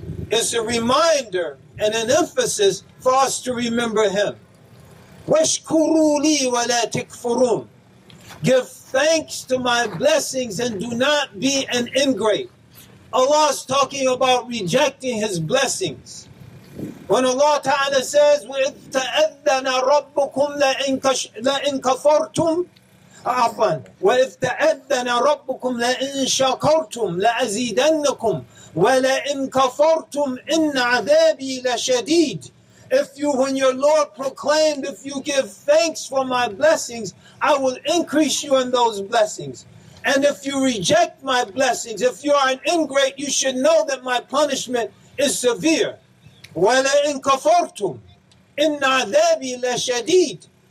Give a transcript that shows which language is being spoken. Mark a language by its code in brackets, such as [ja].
[en] It's a reminder and an emphasis for us to remember Him. [ar] وَاشْكُرُوا لِي وَلَا تَكْفُرُونَ. [en] Give thanks to my blessings and do not be an ingrate. Allah is talking about rejecting His blessings. When Allah Ta'ala says, [ar] وَإِذْ تَأَذَّنَ رَبُّكُمْ لَإِنْ كَفَرْتُمْ عَفْوًا وَإِذْ تَأَذَّنَ رَبُّكُمْ لَإِنْ شَكَرْتُمْ لَأَزِيدَنَّكُمْ وَلَإِنْ كَفَرْتُمْ إِنَّ عَذَابِي لَشَدِيدٌ. [en] If you, when your Lord proclaimed, if you give thanks for my blessings, I will increase you in those blessings. And if you reject my blessings, if you are an ingrate, you should know that my punishment is severe. [ar] وَلَئِنْ كَفَرْتُمْ إِنَّ عَذَابِي لَشَدِيدٌ.